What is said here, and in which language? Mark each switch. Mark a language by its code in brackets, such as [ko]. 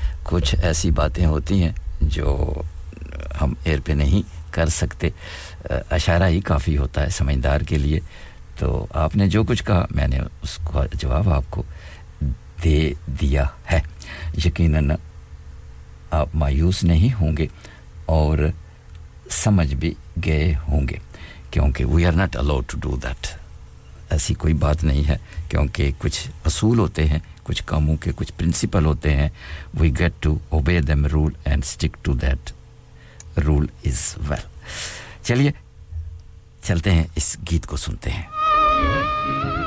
[hi] कुछ ऐसी बातें होती हैं जो हम एयर पे नहीं कर सकते इशारा ही काफी होता है समझदार के लिए तो आपने जो कुछ कहा मैंने उसका जवाब आपको दे दिया है यकीनन आप मायूस नहीं होंगे और समझ भी गए होंगे क्योंकि [en] we are not allowed to do that. [hi] ऐसी कोई बात नहीं है क्योंकि कुछ असूल होते हैं कुछ कामों के कुछ प्रिंसिपल होते हैं [en] we get to obey them rule and stick to that rule as well. [hi] चलिए चलते हैं इस गीत को सुनते हैं